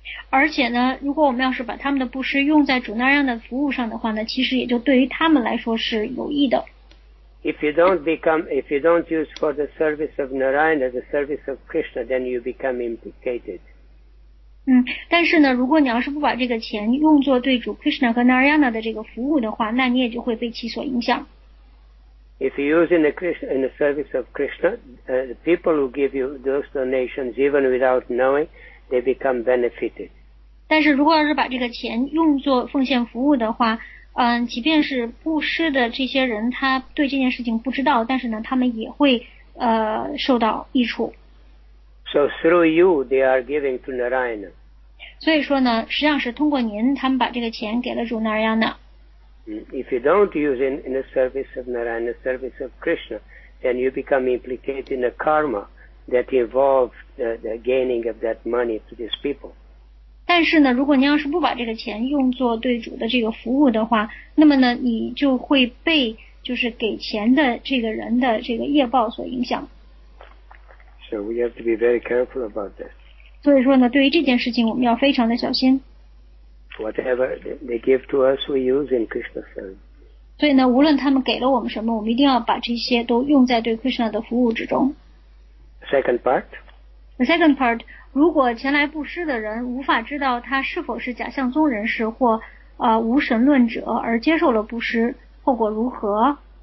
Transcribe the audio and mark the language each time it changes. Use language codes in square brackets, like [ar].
[zh] 而且呢，如果我们要是把他们的布施用在主那样的服务上的话呢，其实也就对于他们来说是有益的。 [en] If you don't use for the service of Narayana, the service of Krishna, then you become implicated. [zh] 但是呢，如果你要是不把这个钱用作对主 Krishna 和 Narayana 的这个服务的话，那你也就会被其所影响。 [en] If you use in the Krishna, in the service of Krishna, the people who give you those donations, even without knowing, they become benefited. [zh] 但是如果要是把这个钱用作奉献服务的话，即便是布施的这些人，他对这件事情不知道，但是呢，他们也会受到益处。 [en] So through you, they are giving to Narayana. [zh] 所以说呢，实际上是通过您，他们把这个钱给了主 Narayana。 [en] If you don't use it in the service of Narayana, in the service of Krishna, then you become implicated in a karma that involves the gaining of that money to these people. [zh] 但是呢，如果您要是不把这个钱用作对主的这个服务的话，那么呢，你就会被就是给钱的这个人的这个业报所影响。 [en] So we have to be very careful about that. [zh] 所以说呢，对于这件事情，我们要非常的小心。 [en] Whatever they give to us, we use in Krishna service. [zh] 所以呢，无论他们给了我们什么，我们一定要把这些都用在对 Krishna 的服务之中。 [en] Second part. The second part. [zh] 如果前来布施的人无法知道他是否是假象宗人士或无神论者而接受了布施，后果如何？